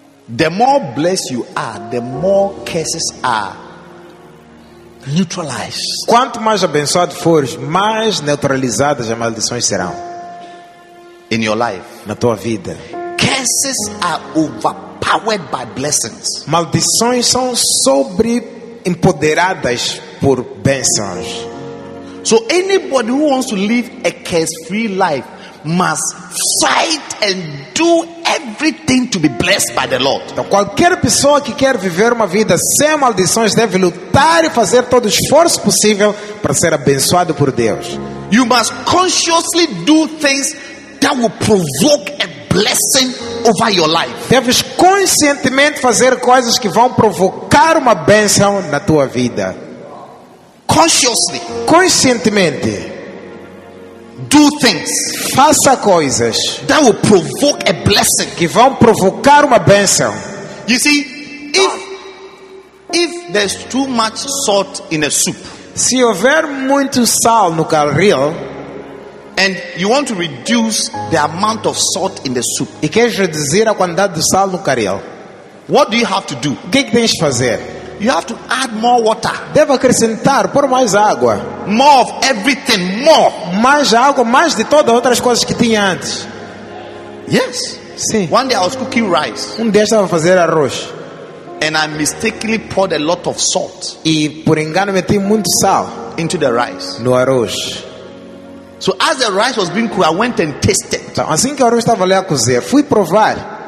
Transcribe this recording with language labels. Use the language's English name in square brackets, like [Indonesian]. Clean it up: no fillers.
[English] The more blessed you are, the more curses are neutralized. [Portuguese] Quanto mais abençoado fores, mais neutralizadas as maldições serão [English] in your life, [Portuguese] na tua vida. [English] curses are overpowered by blessings. [Portuguese] Maldições são sobre empoderadas por bênçãos. [English] So anybody who wants to live a curse-free life must fight and do everything to be blessed by the Lord. [Portuguese] Então, qualquer pessoa que quer viver uma vida sem maldições deve lutar e fazer todo o esforço possível para ser abençoado por Deus. [English] You must consciously do things that will provoke a blessing over your life. [Portuguese] Deves conscientemente fazer coisas que vão provocar uma bênção na tua vida. [English] Consciously. [Portuguese] Conscientemente. [English] Do things. [Portuguese] Faça coisas. [English] That will provoke a blessing. [Portuguese] Que vão provocar uma bênção. [English] You see, if there's too much salt in a soup. [Portuguese] Se houver muito sal no caldo. [English] And you want to reduce the amount of salt in the soup. [Portuguese] E queres reduzir a quantidade de sal no caril. [English] What do you have to do? [Portuguese] O que é que tens de fazer? [English] You have to add more water. [Portuguese] Deve acrescentar, pôr mais água. [English] More of everything, more. [Portuguese] Mais água, mais de todas as outras coisas que tinha antes. [English] Yes. [Portuguese] Sim. [English] One day I was cooking rice. [Portuguese] Dia estava a fazer arroz. [English] And I mistakenly poured a lot of salt. [Portuguese] E por engano meti muito sal. [English] Into the rice. [Portuguese] No arroz. [English] So as the rice was being cooked, I went and tasted. [Portuguese] Então, assim que o arroz estava ali a cozer, fui provar.